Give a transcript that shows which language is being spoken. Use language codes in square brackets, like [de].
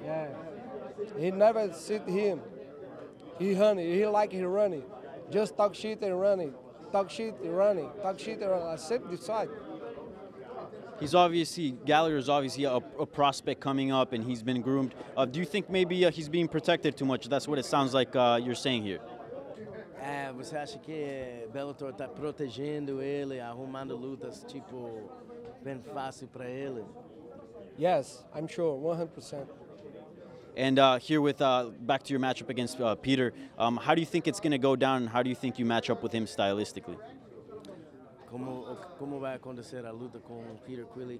[en] Yeah. He never sit him. He honey. He like he running. Just talk shit and running. Talk shit and running. Talk shit and running. Accept this fight. Gallagher is obviously a prospect coming up, and he's been groomed. Do you think maybe he's being protected too much? That's what it sounds like you're saying here. [pt] Você acha que Bellator está protegendo ele, arrumando lutas tipo bem fácil para ele? [en] Yes, I'm sure, 100%. And here with back to your matchup against Peter, how do you think it's going to go down? And how do you think you match up with him stylistically? [pt] Como vai acontecer a luta com Peter Queally?